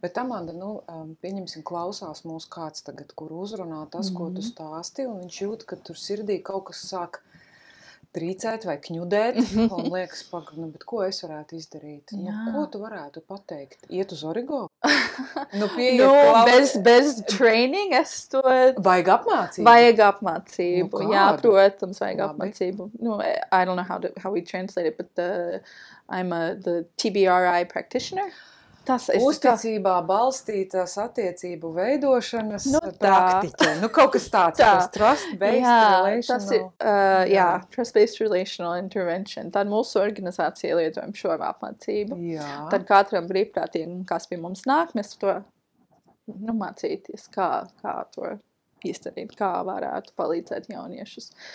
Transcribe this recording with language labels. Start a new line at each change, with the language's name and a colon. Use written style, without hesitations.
Latvian: Bet Amanda, nu, pieņemsim, klausās mūs kāds tagad, kur uzrunā tas, ko tu stāsti, un viņš jūt, ka tur sirdī kaut kas sāk trīcēt vai kņudēt, un liekas, nu, bet ko es varētu izdarīt? Jā. Nu, ko tu varētu pateikt? Iet uz origo? Nu, bez training es to... Vajag apmācību? Vajag apmācību, nu, jā, protams, vajag Labi. Apmācību.
English: Nu, I don't know how we translate it, but I'm the TBRI practitioner.
Latvian: Tas ir uzticībā balstītas attiecību veidošanas nu, praktiķe. Nu, kaut kas tāds, tā. Tas trust-based relational. Ir, jā, trust-based relational intervention. Tad mūsu organizācija lietojam šo apmācību. Jā. Tad katram brīvprātiem, kas pie mums nāk, mēs to nu, mācīties, kā to izdarīt, kā varētu palīdzēt jauniešus.